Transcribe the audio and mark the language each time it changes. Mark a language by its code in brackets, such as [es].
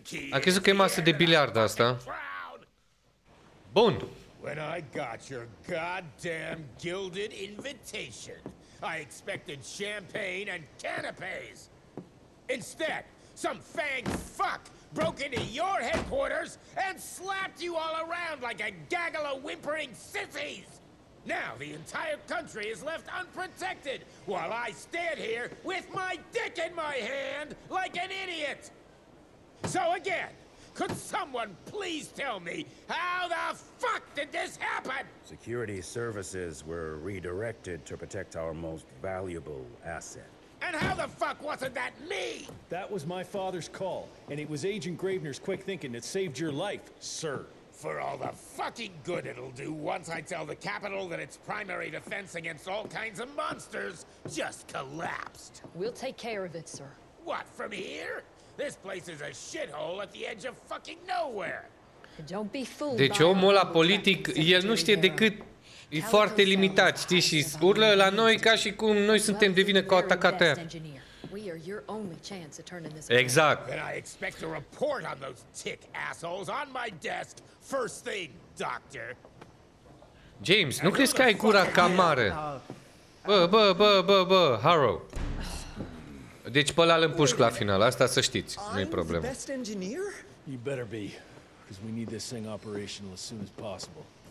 [ro] A crezut că e masă de biliard asta. Bun. [en] When I got your goddamn gilded invitation, I expected champagne and canapes. Instead, Some fag fuck broke into your headquarters and slapped you all around like a gaggle of whimpering sissies! Now the entire country is left unprotected while I stand here with my dick in my hand like an idiot! So again, could someone please tell me how the fuck did this happen? Security services were redirected to protect our most valuable asset. And how the fuck wasn't that me? That was my father's call, and it was Agent Gravener's quick thinking that saved your life, sir. For all the fucking good it'll do once I tell the Capitol that its primary defense against all kinds of monsters just collapsed. We'll take care of it, sir. What, from here? This place is a shithole at the edge of fucking nowhere. Don't be fooled. [ro] Deci omul ăla politic, el nu știe decât, e foarte limitat, știi, și urlă la noi ca și cum noi suntem de vină cu atacatea. [en] We are your only chance of turning this. Exact. And I expect a report on those tick assholes on my desk first thing, doctor. [ro] James, nu crezi că ai gura cam mare? Bă, Harrow. Deci pe ăla îl împușc la final, asta să știți, nu e problemă. [en] You better be, because we need this thing operational as soon as possible.